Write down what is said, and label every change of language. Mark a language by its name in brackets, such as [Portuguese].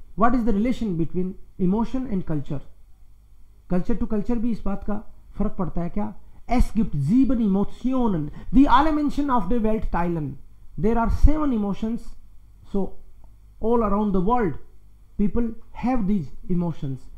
[English] What is the relation between emotion and culture? Culture to culture [Hindi] भी इस बात का फर्क पड़ता है क्या? [German] Es gibt sieben Emotionen, die alle Menschen auf der Welt teilen. [English] There are seven emotions, so all around the world, people have these emotions.